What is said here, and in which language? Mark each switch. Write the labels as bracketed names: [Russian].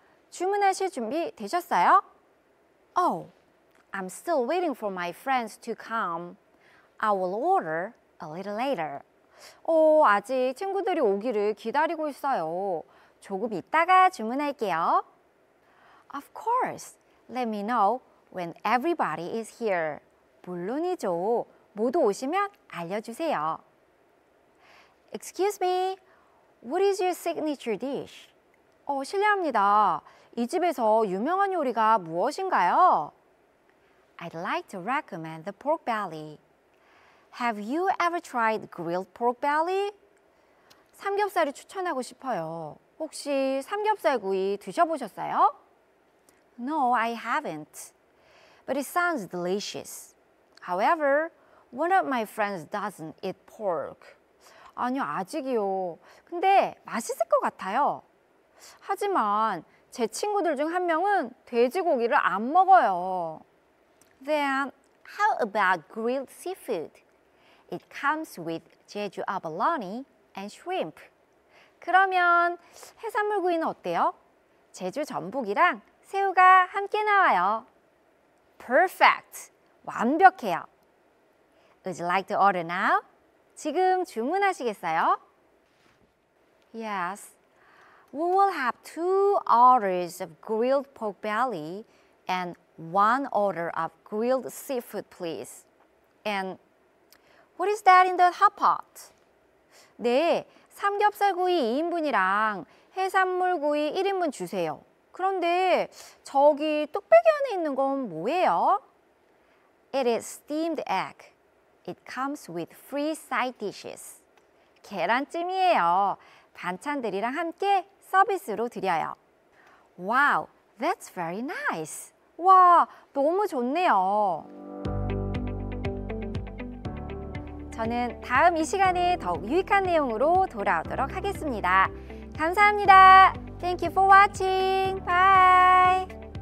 [Korean] 주문하실 준비 되셨어요? [English] Oh, I'm still waiting for my friends to come. I will order a little later. [Korean] 아직 친구들이 오기를 기다리고 있어요. 조금 이따가 주문할게요. [English] Of course. Let me know when everybody is here. [Korean] 물론이죠. 모두 오시면 알려주세요. [English] Excuse me. What is your signature dish? [Korean] 실례합니다. 이 집에서 유명한 요리가 무엇인가요? [English] I'd like to recommend the pork belly. Have you ever tried grilled pork belly? [Korean] 삼겹살을 추천하고 싶어요. 혹시 삼겹살 구이 드셔보셨어요? [English] No, I haven't. But it sounds delicious. However, one of my friends doesn't eat pork. [Korean] 아니요, 아직이요. 근데 맛있을 것 같아요. 하지만 제 친구들 중 한 명은 돼지고기를 안 먹어요. [English] Then, how about grilled seafood? It comes with Jeju abalone and shrimp. [Korean] 그러면 해산물 구이는 어때요? 제주 전복이랑 새우가 함께 나와요. [English] Perfect! [Korean] 완벽해요. [English] Would you like to order now? [Korean] 지금 주문하시겠어요? [English] Yes. We will have two orders of grilled pork belly and one order of grilled seafood, please. And what is that in the hot pot? [Korean] 네, 삼겹살 구이 2인분이랑 해산물 구이 1인분 주세요. 그런데 저기 뚝배기 안에 있는 건 뭐예요? [English] It is steamed egg. It comes with free side dishes. [Korean] 계란찜이에요. 반찬들이랑 함께 서비스로 드려요. [English] Wow, that's very nice. [Korean] 와, 너무 좋네요. 저는 다음 이 시간에 더욱 유익한 내용으로 돌아오도록 하겠습니다. 감사합니다. [English] Thank you for watching. Bye.